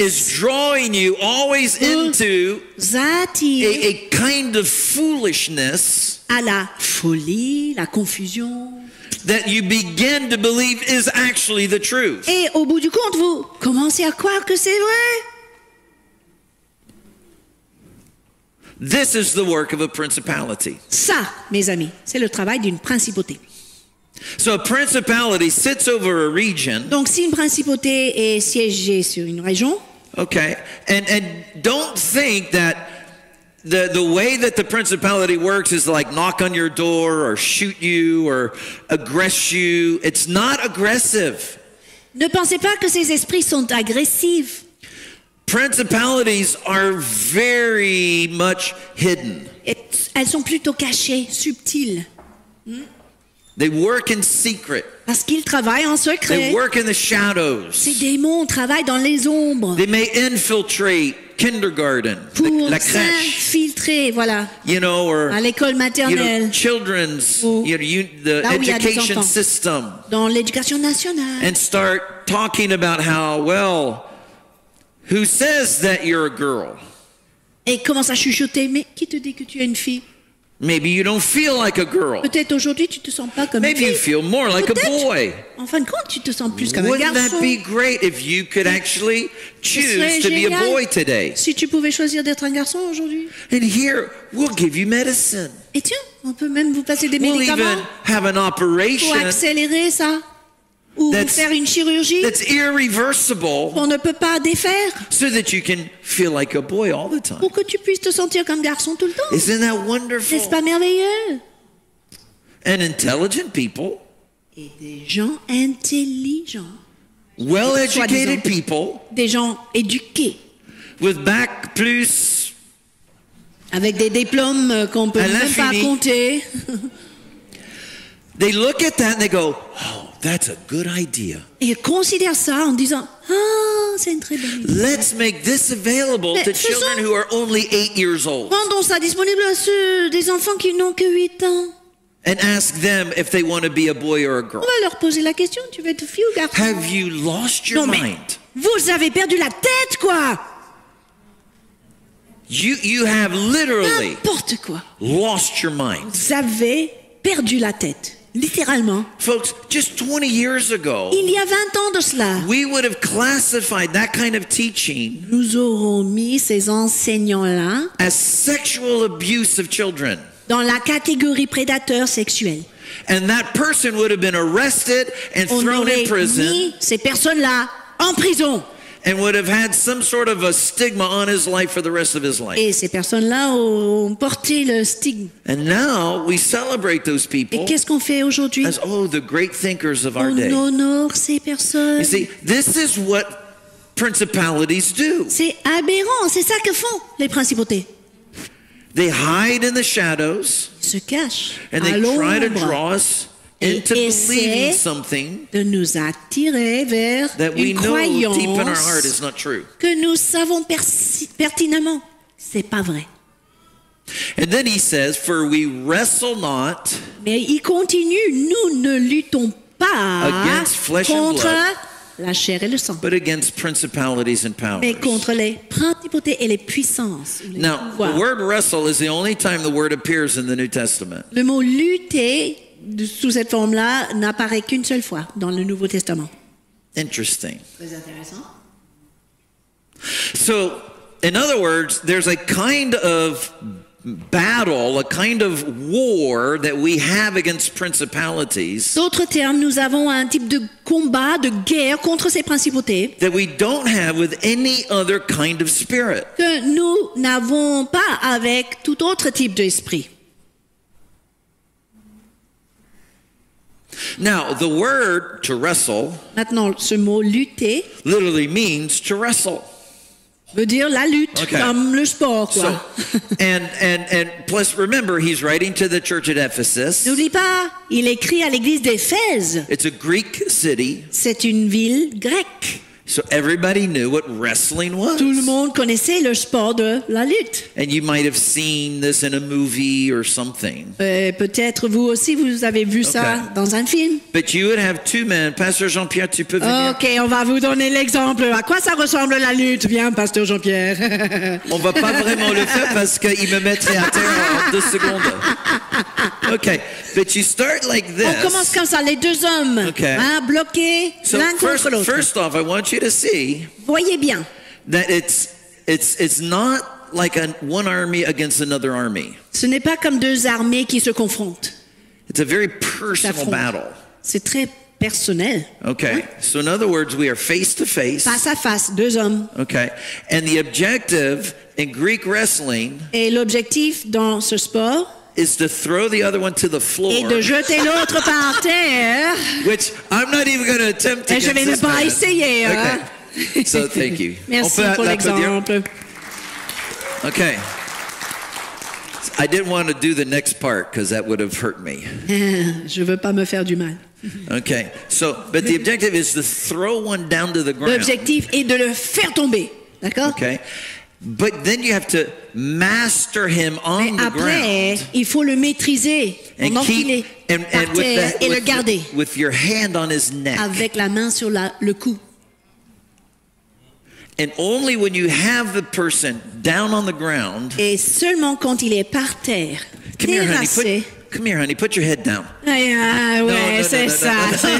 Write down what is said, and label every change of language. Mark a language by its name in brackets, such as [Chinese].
[English] is drawing you always into a kind of foolishness [French] à la folie, la confusion [English] that you begin to believe is actually the truth. [French] Et au bout du compte, vous commencez à croire que c'est vrai. [English] This is the work of a principality. [French] Ça, mes amis, c'est le travail d'une principauté. [English] So a principality sits over a region. [French] Donc si une principauté est siégée sur une région. Okay. [English] And don't think that the way that the principality works is like knock on your door or shoot you or aggress you. It's not aggressive. [French] Ne pensez pas que ces esprits sont agressifs. [English] Principalities are very much hidden. [French] Elles sont plutôt cachées, subtiles. [English] They work in secret. [French] Parce qu'ils travaillent en secret. [English] They work in the shadows. [French] Ces démons travaillent dans les ombres. [English] They may infiltrate kindergarten, [French] pour la crèche. Pour s'infiltrer, voilà. [English] You know, or, [French] à l'école maternelle. [English] You know, children's, you know, the education system. [French] Dans l'éducation nationale. [English] And start talking about how, well, who says that you're a girl? [French] Et commence à chuchoter, mais qui te dit que tu es une fille? [English] Maybe you don't feel like a girl. [French] Peut-être aujourd'hui tu te sens pas comme [English] maybe [French] une fille. [English] You feel more like [French] peut-être, [English] a boy. [French] En fin de compte, tu te sens plus comme [English] wouldn't [French] un garçon. [English] That be great if you could actually choose to be a boy today? [French] Si tu pouvais choisir d'être un garçon aujourd'hui. [English] And here, we'll give you medicine. [French] Et tiens, on peut même vous passer des [English] we'll [French] médicaments. [English] Even have an operation [French] pour accélérer ça. ou faire une chirurgie [English] that's irreversible [French] qu'on ne peut pas défaire [English] so that you can feel like a boy all the time. [French] Pour que tu puisses te sentir comme garçon tout le temps. [English] Isn't that wonderful? [French] N'est-ce pas merveilleux? [English] And intelligent people, [French] et des gens intelligents, [English] well-educated people, [French] des gens éduqués, [English] with back plus, [French] avec des diplômes qu'on peut même pas compter. [English] They look at that and they go, oh, that's a good idea. [French] Et ils considèrent ça en disant, ah, oh, c'est une très bonne idée. [English] Let's make this available [French] Mais [English] to children who are only 8 years old. [French] Rendons ça disponible à ceux des enfants qui n'ont que 8 ans. [English] And ask them if they want to be a boy or a girl. [French] On va leur poser la question, tu veux être fille ou garçon? [English] Have you lost your [French] non, [English] mind? [French] Vous avez perdu la tête, quoi! [English] You have literally [French] N'importe quoi. [English] Lost your mind. [French] Vous avez perdu la tête, littéralement. [English] Folks, just 20 years ago, [French] il y a 20 ans de cela, [English] we would have classified that kind of teaching [French] nous aurons mis ces enseignants-là [English] as sexual abuse of children. [French] Dans la catégorie prédateur sexuel. [English] And that person would have been arrested and [French] On [English] thrown in prison. [French] Mis ces personnes-là en prison. [English] And would have had some sort of a stigma on his life for the rest of his life. [French] Et ces personnes-là ont porté le stigme. [English] And now we celebrate those people. [French] Et qu'est-ce qu'on fait aujourd'hui? [English] As oh, the great thinkers of our day. [French] On honore ces personnes. [English] You see, this is what principalities do. [French] C'est aberrant, c'est ça que font les principautés. [English] They hide in the shadows. [French] Ils se cachent. [English] And they try to draw us into believing something [French] de nous attirer vers [English] that we [French] une [English] know deep in our heart is not true. [French] Que nous savons pertinemment, c'est pas vrai. [English] And then he says, "For we wrestle not." [French] Mais il continue, nous ne luttons pas [English] against flesh [French] contre [English] and blood, [French] la chair et le sang, [English] but against principalities and powers. [French] Mais contre les principautés et les puissances. [English] Now, [French] pouvoirs. [English] The word "wrestle" is the only time the word appears in the New Testament. [French] Le mot lutter sous cette forme-là n'apparaît qu'une seule fois dans le Nouveau Testament. [English] Interesting. [French] Très intéressant. [English] So, in other words, there's a kind of battle, a kind of war that we have against principalities. [French] D'autres termes, nous avons un type de combat, de guerre contre ces principautés. [English] That we don't have with any other kind of spirit. [French] Que nous n'avons pas avec tout autre type d'esprit. [English] Now, the word to wrestle. [French] Maintenant, ce mot lutter. [English] Literally means to wrestle. [French] Veut dire la lutte, okay. Comme le sport, quoi. [English] So, and plus, remember, he's writing to the church at Ephesus. [French] N'oublie pas, il écrit à l'église d'Éphèse. [English] It's a Greek city. [French] C'est une ville grecque. [English] So everybody knew what wrestling was. [French] Tout le monde connaissait le sport de la lutte. [English] And you might have seen this in a movie or something. [French] Peut-être vous aussi vous avez vu ça dans un film. [English] But you would have two men. [French] Pasteur Jean-Pierre, tu peux venir. OK, on va vous donner l'exemple. À quoi ça ressemble la lutte? Viens, Pasteur Jean-Pierre. On va pas vraiment le faire parce qu'il me mettrait à terre en deux secondes. [English] OK, but you start like this. [French] On commence comme ça, les deux hommes. OK. Hein, bloqués so l'un contre l'autre. [English] First off, I want you to see [French] voyez bien [English] that it's not like one army against another army. [French] Ce n'est pas comme deux armées qui se confrontent. [English] It's a very personal battle. [French] C'est très personnel. [English] Okay. Hein? So in other words, we are face to face. [French] Face à face, deux hommes. [English] Okay. And the objective in Greek wrestling [French] et l'objectif dans ce sport [English] is to throw the other one to the floor. [French] Et de jeter l'autre par terre. [English] Which I'm not even going to attempt to [French] Et je vais ne pas essayer. [English] Okay. So thank you. [French] Merci pour l'exemple. Okay. [English] I didn't want to do the next part because that would have hurt me. [French] Je veux pas me faire du mal. Okay. [English] So, but the objective is to throw one down to the ground. [French] L'objectif est de le faire tomber. D'accord? Okay. [English] But then you have to master him on [French] Mais après, [English] the ground. [French] Il faut le maîtriser, l'enfiler par terre et le garder. [English] With your hand on his neck. [French] Avec la main sur le cou. [English] And only when you have the person down on the ground. [French] Et seulement quand il est par terre, [English] come [French] terrassé. [English] Here, honey, come here, honey. Put your head down. [French] Yeah, ouais, no, no, c'est no, ça, no, c'est no.